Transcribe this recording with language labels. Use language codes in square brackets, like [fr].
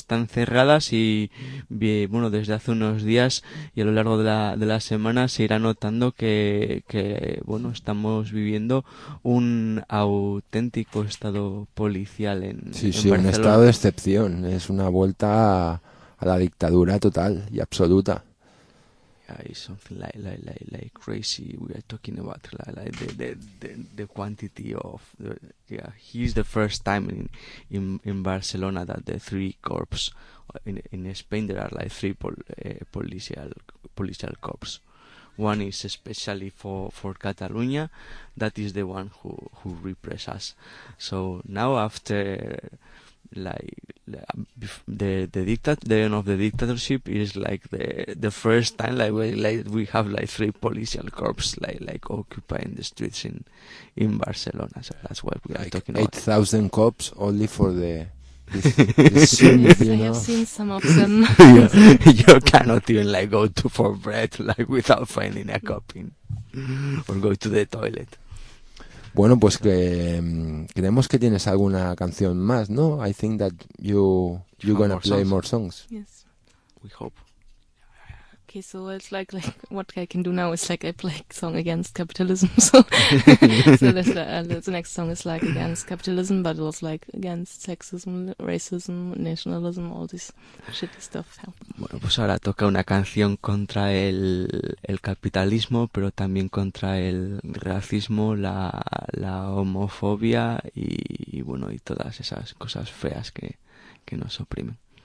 [es] cerradas y bueno, desde hace unos días y a lo largo de la semana se irá notando que bueno, estamos viviendo un auténtico estado policial en Barcelona. Un estado de excepción, es una vuelta a la dictadura total y absoluta. [en] Is something like crazy. We are talking about like the quantity of the, yeah. He's the first time in Barcelona that the three corps in Spain, there are like three policial corps. One is especially for Catalonia. That is the one who represses us. So now after the end of the dictatorship is like the first time we have like three policial corps like occupying the streets in Barcelona. So that's what we are like talking about. 8,000 cops only for the I have seen some of them. You cannot even like go to for bread like without finding a cop in or go to the toilet. [es] Bueno, pues que creemos que tienes alguna canción más, ¿no? [en] I think that you're gonna play more songs. Yes, we hope. Okay, so it's like what I can do now is like I play a song against capitalism. So, the next song is like against capitalism, but it was like against sexism, racism, nationalism, all this shitty stuff. [es] Bueno, pues ahora toca una canción contra el capitalismo, pero también contra el racismo, la homofobia y bueno, y todas esas cosas feas que nos oprimen.